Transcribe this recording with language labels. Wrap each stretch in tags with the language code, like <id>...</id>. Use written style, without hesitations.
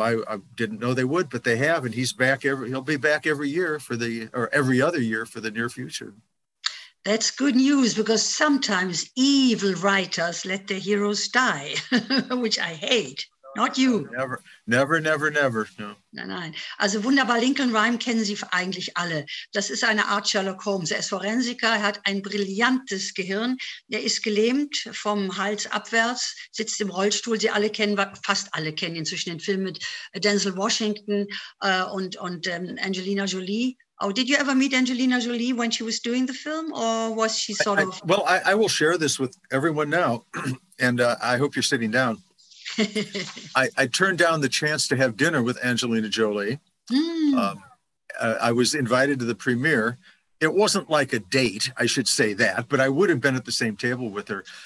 <en>I didn't know they would, but they have. And he's back he'll be back every year every other year for the near future. That's good news, because sometimes evil writers let their heroes die, which I hate. Not you. Never, never, never, never. No.</en> <de>Nein, nein. Also wunderbar, Lincoln Rhyme kennen Sie eigentlich alle. Das ist eine Art Sherlock Holmes. Er ist Forensiker, er hat ein brillantes Gehirn. Er ist gelähmt vom Hals abwärts, sitzt im Rollstuhl. Sie alle kennen, fast alle kennen inzwischen den Film mit Denzel Washington und Angelina Jolie.</de> <en>Oh, did you ever meet Angelina Jolie when she was doing the film, or was she sort of... I will share this with everyone now, and I hope you're sitting down. I turned down the chance to have dinner with Angelina Jolie. Mm. I was invited to the premiere. It wasn't like a date, I should say that, but I would have been at the same table with her.</en>